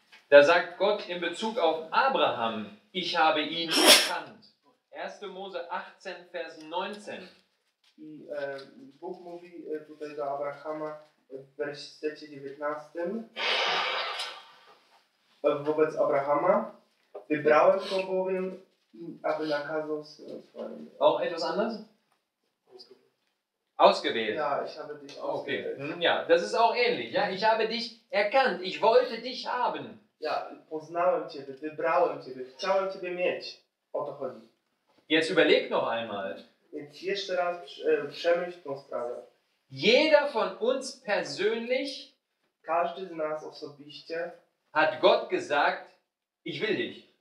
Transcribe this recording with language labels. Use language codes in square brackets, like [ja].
[de] Da sagt Gott in Bezug auf Abraham, ich habe ihn erkannt. 1. Mose 18, Vers 19. [pl] I Bóg mówi tutaj do Abrahama w wersecie 19. Wobec Abrahama wybrałem go bowiem, aby nakazał swoim... [de] Auch etwas anders? Ausgewählt. Ja, ich habe dich ausgewählt. Okay. Ja, das ist auch ähnlich. Ja, ich habe dich erkannt. Ich wollte dich haben. [pl] Ja, poznałem Ciebie, wybrałem Ciebie, chciałem Ciebie mieć. O to chodzi. [de] Jetzt überleg noch einmal. Jetzt [pl] jeszcze raz przemyśl tą sprawę. [de] Jeder von uns persönlich, [pl] każdy z nas osobiście, [de] hat Gott gesagt, ich will dich.